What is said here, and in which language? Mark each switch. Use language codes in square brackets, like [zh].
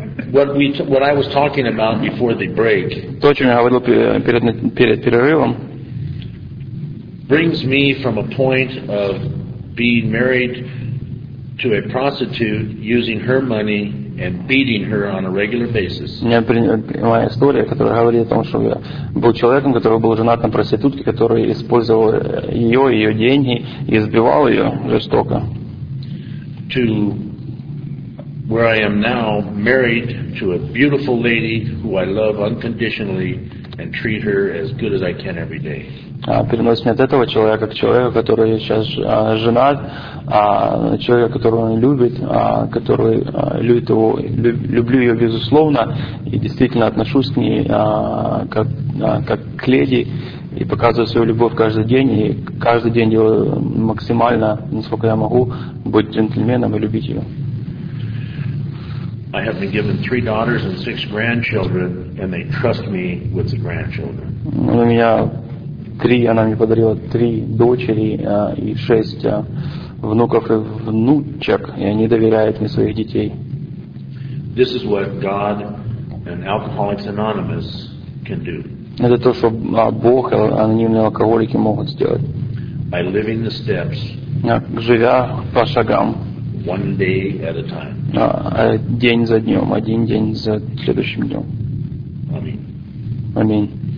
[en] What I was talking about before the break. [ru] То, о чем я говорил перед перерывом. [en] Brings me from a point of being married to a prostitute, using her money and beating her on a regular basis. [ru] Моя история, которая говорит о том, что я был человеком, который был женат на проститутке, который использовал ее деньги и избивал ее жестоко. [en] To where I am now, married to a beautiful lady who I love unconditionally and treat her as good as I can every day. [ru] Переносит меня от этого человека к человеку, который сейчас женат, человека, которого он любит, который любит его, люблю ее безусловно и действительно отношусь к ней как к леди и показываю свою любовь каждый день и каждый день делаю максимально, насколько я могу, быть джентльменом и любить ее. [en] I have been given 3 daughters and 6 grandchildren, and they trust me with the grandchildren. [ru] У меня три, она мне подарила 3 дочери и 6 внуков и внучек, и они доверяют мне своих детей. [en] This is what God and Alcoholics Anonymous can do. [ru] Это то, что Бог и анонимные алкоголики могут сделать. [en] By living the steps. [ru] Живя по шагам. [en] One day at a time. [ru] День за днем, один день за следующим днем. Аминь.